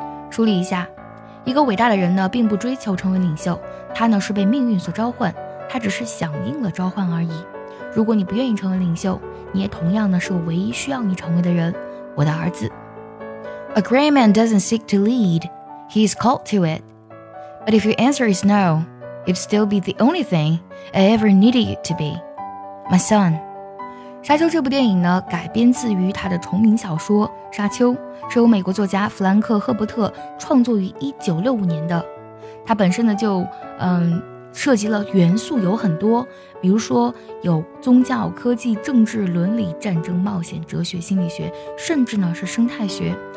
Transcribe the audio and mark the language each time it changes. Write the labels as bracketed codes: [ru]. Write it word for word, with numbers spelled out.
[zh] 梳理一下，一个伟大的人呢并不追求成为领袖，他呢是被命运所召唤，他只是响应了召唤而已。如果你不愿意成为领袖，你也同样呢是我唯一需要你成为的人，我的儿子。 [en] A great man doesn't seek to lead. He is called to it. But if your answer is no, you'd still be the only thing I ever needed you to be. My son. [zh] 沙丘这部电影呢改编自于他的同名小说《沙丘》，是由美国作家弗兰克·赫伯特创作于一九六五年的。他本身呢就嗯涉及了元素有很多，比如说有宗教、科技、政治、伦理、战争、冒险、哲学、心理学，甚至呢是生态学。